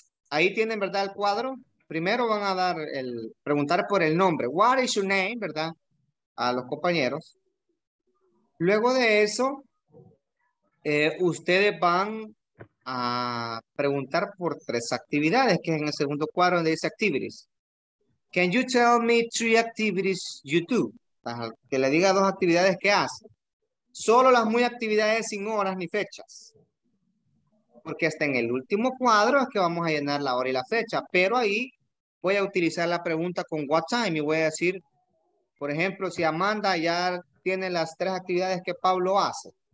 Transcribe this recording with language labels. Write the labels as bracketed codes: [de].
[es] Ahí tienen, ¿verdad?, el cuadro. Primero van a dar el preguntar por el nombre. [en] What is your name, [es] ¿verdad?, a los compañeros. Luego de eso, ustedes van a preguntar por tres actividades, que es en el segundo cuadro donde dice activities. [en] Can you tell me three activities you do? [es] Que le diga dos actividades que hace. Solo las muy actividades sin horas ni fechas. Porque está en el último cuadro, es que vamos a llenar la hora y la fecha. Pero ahí voy a utilizar la pregunta con [en] what time [es] y voy a decir, por ejemplo, si Amanda ya tiene las tres actividades que Pablo hace.